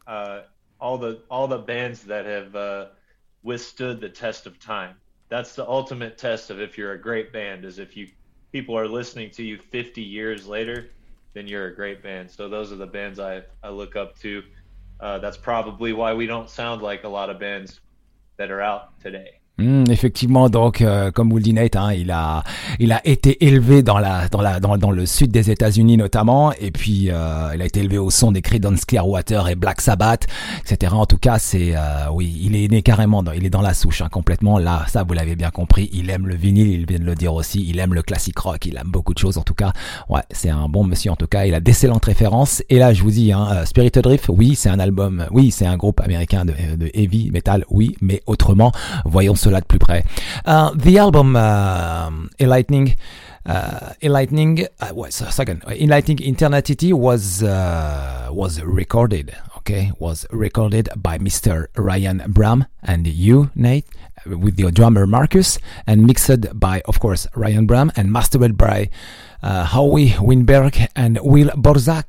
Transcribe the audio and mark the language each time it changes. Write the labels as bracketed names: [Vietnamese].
[English] All the bands that have withstood the test of time. That's the ultimate test of if you're a great band, is if you people are listening to you 50 years later, then you're a great band. So those are the bands I look up to. That's probably why we don't sound like a lot of bands that are out today. [French] Effectivement, donc comme vous le dites, Nate, hein, il a été élevé dans le sud des États-Unis notamment, et puis il a été élevé au son des Creedence Clearwater et Black Sabbath, etc. En tout cas, il est dans la souche, hein, complètement. Là, ça vous l'avez bien compris, il aime le vinyle, il vient de le dire aussi, il aime le classic rock, il aime beaucoup de choses. En tout cas, ouais, c'est un bon monsieur. En tout cas, il a d'excellentes références. Et là, je vous dis, hein, Spirit Adrift, oui, c'est un album, oui, c'est un groupe américain de heavy metal, oui, mais autrement, voyons cela de plus près. [English] The album Enlightening in Eternity was recorded by Mr. Ryan Bram and you, Nate, with your drummer Marcus, and mixed by, of course, Ryan Bram, and mastered by Howie Winberg and Will Borza.